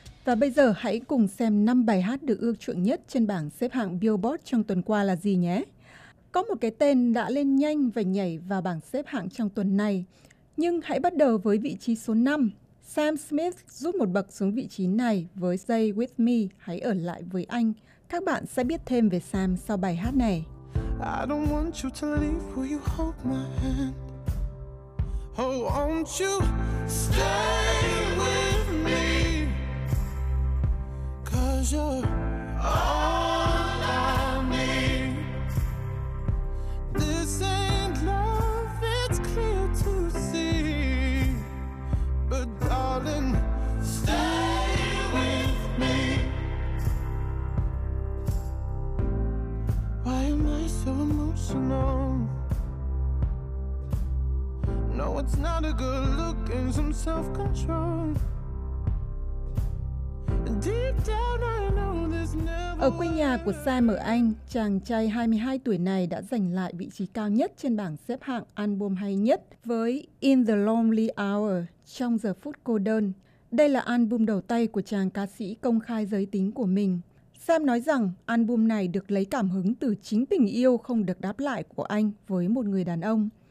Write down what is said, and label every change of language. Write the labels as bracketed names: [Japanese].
[Vietnamese] Và bây giờ hãy cùng xem 5 bài hát được ưa chuộng nhất trên bảng xếp hạng Billboard trong tuần qua là gì nhé. Có một cái tên đã lên nhanh và nhảy vào bảng xếp hạng trong tuần này. Nhưng hãy bắt đầu với vị trí số 5. Sam Smith rút một bậc xuống vị trí này với Stay With Me, Hãy Ở Lại Với Anh. Các bạn sẽ biết thêm về Sam sau bài hát này. [English] I don't want you to leave, will you hold my hand? Oh, won't you stay with me? 'Cause you're all I need. This ain't love, it's clear to see. But darling, stay with me. Why am I so emotional? No, it's not a good look and some self-control. Deep down I know this never. [Vietnamese] Ở quê nhà của Sam ở Anh, chàng trai 22 tuổi này đã giành lại vị trí cao nhất trên bảng xếp hạng album hay nhất với In the Lonely Hour, Trong Giờ Phút Cô Đơn. Đây là album đầu tay của chàng ca sĩ công khai giới tính của mình. Sam nói rằng album này được lấy cảm hứng từ chính tình yêu không được đáp lại của anh với một người đàn ông.